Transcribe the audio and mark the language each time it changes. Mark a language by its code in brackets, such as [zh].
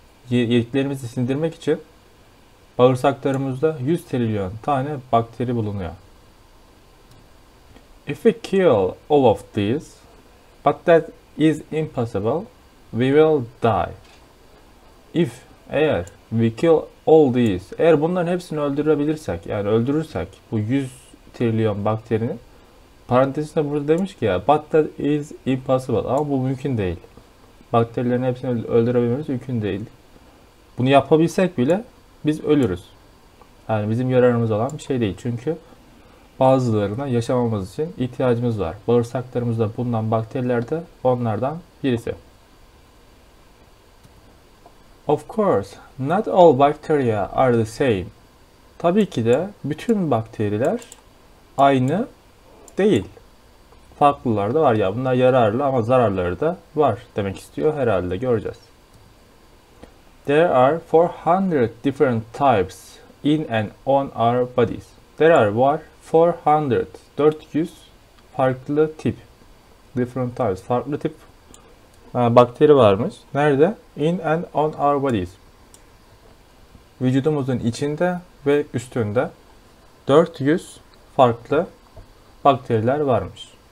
[tr] Yediklerimizi sindirmek için bağırsaklarımızda 100 trilyon tane bakteri bulunuyor. [en] If we kill all of these, but that is impossible, we will die. [tr] If, eğer [en] we kill all these, [tr] eğer bunların hepsini öldürebilirsek, yani öldürürsek bu 100 trilyon bakterinin, parantezinde burada demiş ki ya, [en] but that is impossible, [tr] ama bu mümkün değil. Bakterilerin hepsini öldürebilmemiz mümkün değil. Bunu yapabilsek bile biz ölürüz. Yani bizim yararımız olan bir şey değil çünkü bazılarına yaşamamız için ihtiyacımız var. Bağırsaklarımızda bulunan bakteriler de onlardan birisi. [en] Of course, not all bacteria are the same. [tr] Tabii ki de bütün bakteriler aynı değil. Farklılar da var ya, bunlar yararlı ama zararları da var demek istiyor herhalde, göreceğiz. [en] There are 400 different types in and on our bodies. There are what? [tr] 400, 400 farklı tip, [en] different types, [tr] farklı tip bakteri varmış. Nerede? [en] In and on our bodies. [tr] Vücudumuzun içinde ve üstünde 400 farklı bakteriler varmış.